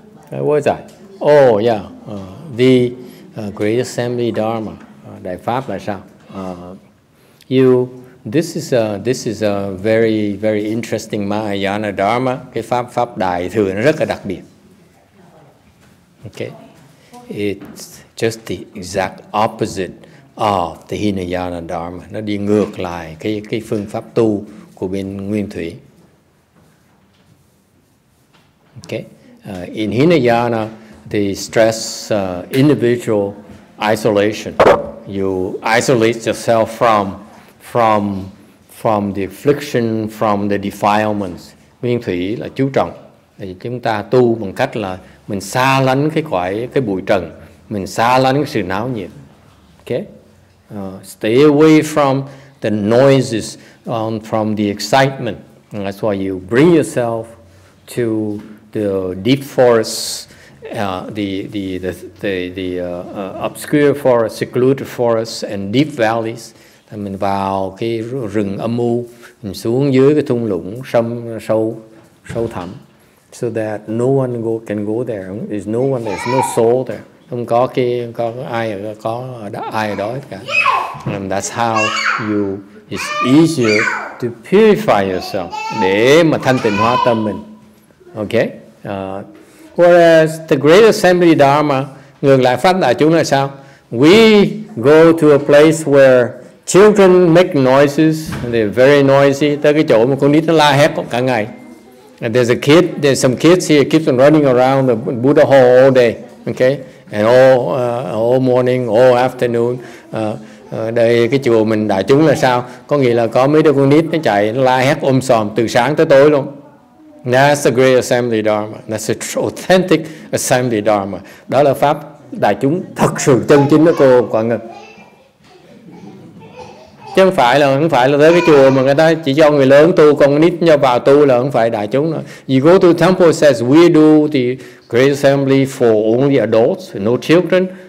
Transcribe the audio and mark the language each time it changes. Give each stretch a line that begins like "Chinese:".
English: Where was I? Oh yeah, the Great Assembly Dharma,
Vietnamese: Đại Pháp là sao?
English: This is a very, very interesting Mahayana Dharma.
Vietnamese: Cái pháp đại thừa nó rất là đặc biệt.
English: Okay, it's just the exact opposite of the Hinayana Dharma.
Vietnamese: Nó đi ngược lại cái phương pháp tu của bên Nguyên Thủy.
English: Okay, in Hinayana, the stress individual isolation. You isolate yourself from the affliction, from the defilements.
Vietnamese: Nguyên Thủy là chú trọng. Thì chúng ta tu bằng cách là mình xa lánh cái bụi trần, mình xa lánh cái sự náo nhiệt.
English: Okay, stay away from the noises, from the excitement. And that's why you bring yourself to the deep forests, the obscure forests, secluded forests, and deep valleys.
Vietnamese: Thì mình vào cái rừng âm u, mình xuống dưới cái thung lũng sâu thẳm.
English: So that no one can go there. There's no one. There's no soul there.
Vietnamese: Không có cái có ai có ai ở đó hết cả.
English: And that's how you. It's easier to purify yourself.
Vietnamese: Để mà thanh tịnh hóa tâm mình.
English: Okay. Whereas the Great Assembly Dharma,
Vietnamese: ngược lại pháp đại chúng là sao?
English: We go to a place where Children make noises, and they're very noisy.
Vietnamese: Tới cái chỗ mà con nít nó la hét cả ngày.
English: And there's a kid, there's some kids here keeps on running around the Buddha hall all day, okay? And all morning, all afternoon.
Vietnamese: Đây cái chùa mình đại chúng là sao? Có nghĩa là có mấy đứa con nít nó chạy, nó la hét om sòm từ sáng tới tối luôn.
English: That's the great assembly dharma. That's the authentic assembly dharma.
Vietnamese: Đó là pháp đại chúng thật sự chân chính của cô Quả Ngực. Chứ không phải là tới cái chùa mà người ta chỉ cho người lớn tu, con nít nhau vào tu là không phải đại chúng nữa.
English: You go to temple says we do the great assembly for only adults, no children.